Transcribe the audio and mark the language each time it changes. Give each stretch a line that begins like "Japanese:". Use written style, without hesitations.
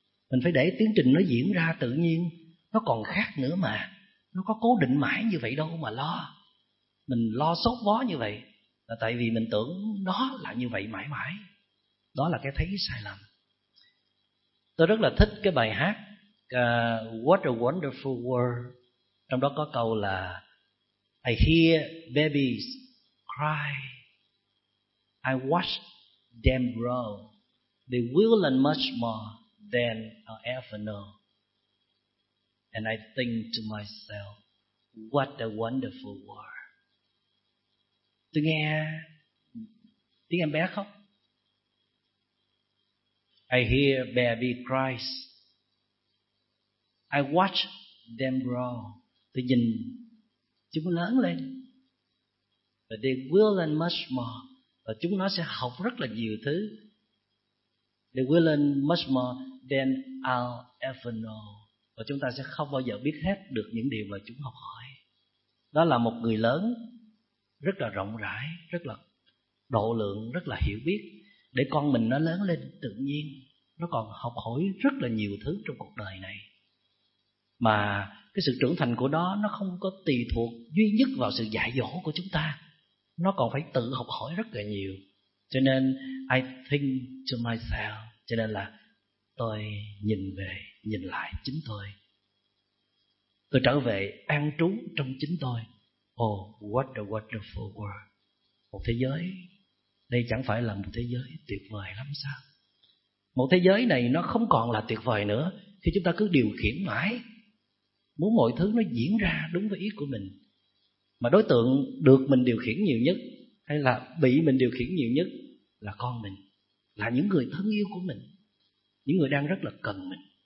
Vietnamese: Mình phải để tiến trình nó diễn ra tự nhiên, nó còn khác nữa mà. Nó có cố định mãi như vậy đâu mà lo. Mình lo sốt vó như vậy là tại vì mình tưởng nó là như vậy mãi mãi. Đó là cái thấy sai lầm. Tôi rất là thích cái bài hát What a Wonderful World. Trong đó có câu là
English: I hear babies cry, I watch them grow, they will learn much more than I ever know. And I think to myself, what a wonderful world.
Vietnamese: Tôi nghe tiếng em bé khóc.
English: I hear baby cries, I watch them grow.
Vietnamese: Tôi nhìn chúng lớn lên.
English: But they will learn much more.
Vietnamese: Và chúng nó sẽ học rất là nhiều thứ.
English: They will learn much more than I'll ever know.
Vietnamese: Và chúng ta sẽ không bao giờ biết hết được những điều mà chúng học hỏi. Đó là một người lớn rất là rộng rãi, rất là độ lượng, rất là hiểu biết, để con mình nó lớn lên tự nhiên, nó còn học hỏi rất là nhiều thứ trong cuộc đời này. Mà cái sự trưởng thành của nó không có tùy thuộc duy nhất vào sự dạy dỗ của chúng ta, nó còn phải tự học hỏi rất là nhiều. Cho nên
English: I think to myself,
Vietnamese: cho nên là tôi nhìn về, nhìn lại chính tôi. Tôi trở về an trú trong chính tôi.
English: Oh, what a wonderful world.
Vietnamese: Một thế giới, đây chẳng phải là một thế giới tuyệt vời lắm sao? Một thế giới này nó không còn là tuyệt vời nữa khi chúng ta cứ điều khiển mãi, muốn mọi thứ nó diễn ra đúng với ý của mình. Mà đối tượng được mình điều khiển nhiều nhất hay là bị mình điều khiển nhiều nhất là con mình, là những người thân yêu của mình, những người đang rất là cần mình.